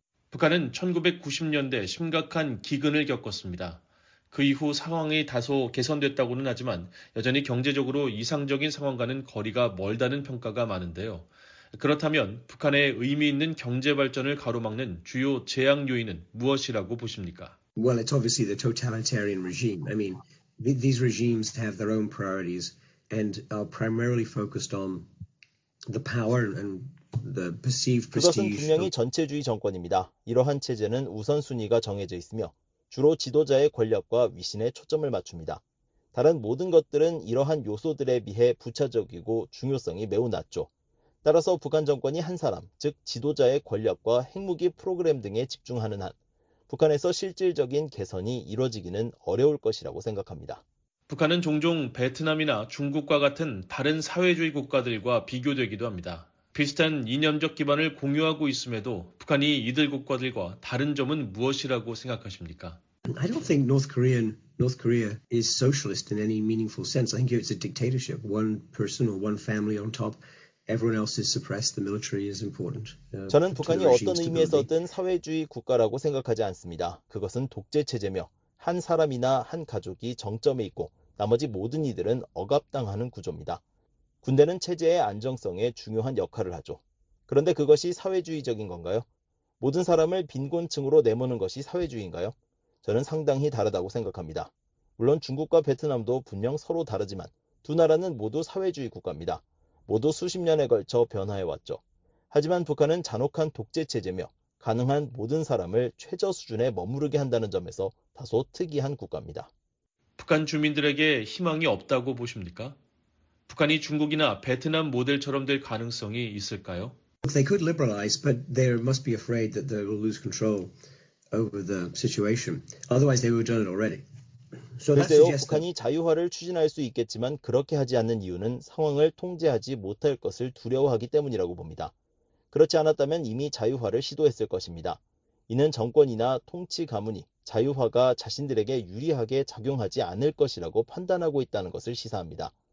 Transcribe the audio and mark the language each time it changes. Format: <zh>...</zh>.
<ko>북한은 1990년대 심각한 기근을 겪었습니다. 그 이후 상황이 다소 개선됐다고는 하지만 여전히 경제적으로 이상적인 상황과는 거리가 멀다는 평가가 많은데요. 그렇다면 북한의 의미 있는 경제 발전을 가로막는 주요 제약 요인은 무엇이라고 보십니까?</ko> <en>Well, it's obviously the totalitarian regime. I mean, these regimes have their own priorities and are primarily focused on the power and the perceived prestige.</en> <ko>그것은 분명히 전체주의 정권입니다. 이러한 체제는 우선순위가 정해져 있으며 주로 지도자의 권력과 위신에 초점을 맞춥니다. 다른 모든 것들은 이러한 요소들에 비해 부차적이고 중요성이 매우 낮죠. 따라서 북한 정권이 한 사람, 즉 지도자의 권력과 핵무기 프로그램 등에 집중하는 한, 북한에서 실질적인 개선이 이루어지기는 어려울 것이라고 생각합니다. 북한은 종종 베트남이나 중국과 같은 다른 사회주의 국가들과 비교되기도 합니다. 비슷한 이념적 기반을 공유하고 있음에도 북한이 이들 국가들과 다른 점은 무엇이라고 생각하십니까?</ko> <en>I don't think North Korea is socialist in any meaningful sense. I think it's a dictatorship. One person or one family on top. Everyone else is suppressed. The military is important.</en> <ko>저는 북한이 어떤 의미에서든 사회주의 국가라고 생각하지 않습니다. 그것은 독재 체제며 한 사람이나 한 가족이 정점에 있고 나머지 모든 이들은 억압당하는 구조입니다. 군대는 체제의 안정성에 중요한 역할을 하죠. 그런데 그것이 사회주의적인 건가요? 모든 사람을 빈곤층으로 내모는 것이 사회주의인가요? 저는 상당히 다르다고 생각합니다. 물론 중국과 베트남도 분명 서로 다르지만 두 나라는 모두 사회주의 국가입니다. 모두 수십 년에 걸쳐 변화해왔죠. 하지만 북한은 잔혹한 독재체제며 가능한 모든 사람을 최저 수준에 머무르게 한다는 점에서 다소 특이한 국가입니다. 북한 주민들에게 희망이 없다고 보십니까? 북한이 중국이나 베트남 모델처럼 될 가능성이 있을까요?</ko> <en>They could liberalize, but they must be afraid that they will lose control over the situation. Otherwise, they would have done it already.</en> <ko>글쎄요, 북한이 자유화를 추진할 수 있겠지만 그렇게 하지 않는 이유는 상황을 통제하지 못할 것을 두려워하기 때문이라고 봅니다. 그렇지 않았다면 이미 자유화를 시도했을 것입니다. 이는 정권이나 통치 가문이 자유화가 자신들에게 유리하게 작용하지 않을 것이라고 판단하고 있다는 것을 시사합니다.</ko>